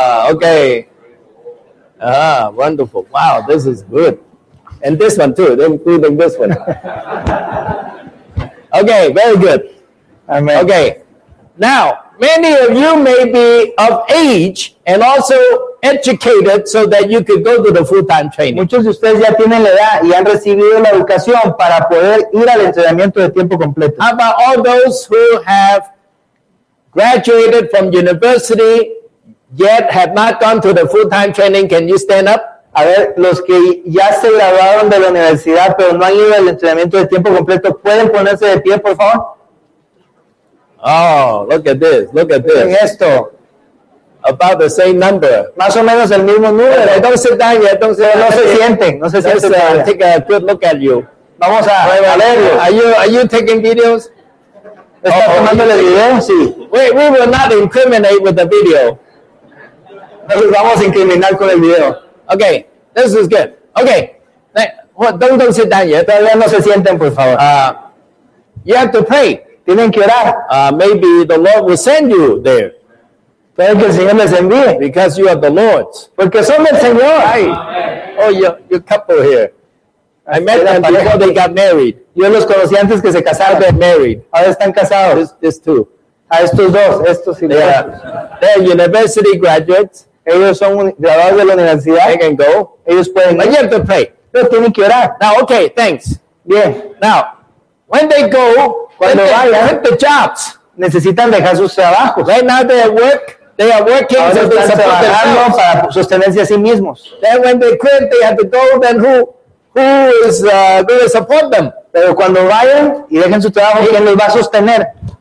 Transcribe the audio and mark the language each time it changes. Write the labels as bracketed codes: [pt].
[en] Okay. Wonderful. Wow, this is good. And this one too, including this one. Okay, very good. Amen. Okay. Now, many of you may be of age and also educated so that you could go to the full-time training. [es] Muchos de ustedes ya tienen la edad y han recibido la educación para poder ir al entrenamiento de tiempo completo. [en] How about all those who have graduated from university yet have not gone to the full-time training? Can you stand up? [es] A ver, los que ya se graduaron de la universidad pero no han ido al entrenamiento de tiempo completo, ¿pueden ponerse de pie, por favor? [en] Oh, look at this. Look at this. [es] En esto. [en] About the same number. [es] Más o menos el mismo número. [en] Pero don't sit down yet. Don't sit down. [es] No se sienten. No se sienten. [en] Let's take a good look at you. [es] Vamos a verlo. [en] Are you taking videos? [es] ¿Estás tomándole video? Sí. [en] We will not incriminate with the video. [es] Nos vamos a incriminar con el video. [en] Okay. This is good. Okay. Don't sit down yet. [es] Todavía no se sienten, por favor. [en] You have to pray. [es] Tienen que orar. [en] Maybe the Lord will send you there. [es] Puede que el Señor les envíe. [en] Because you are the Lord's. [es] Porque son del Señor. [en] Ay. Oh, your couple here. I met them before they got married. [es] Yo los conocí antes que se casaron. [en] They're married. [es] Ahora están casados. [en] This too. [es] A estos dos, estos y dos. [en] They're university graduates. [es] Ellos son graduados de la universidad. [en] They can go. [es] Ellos pueden. [en] But you have to pray. [es] Pero tienen que orar. [en] Now, okay, thanks. [es] Bien. [en] Now, when they go, [es] cuando vayan, [en] they have the jobs. [es] Necesitan dejar sus trabajos. [en] Right now they have work. They are working to support themselves. [es] Para sostenerse a sí mismos. [en] Then when they quit, they have to go. Then who is going to support them? [es] Pero cuando vayan y dejen su trabajo, ¿quién los va a sostener?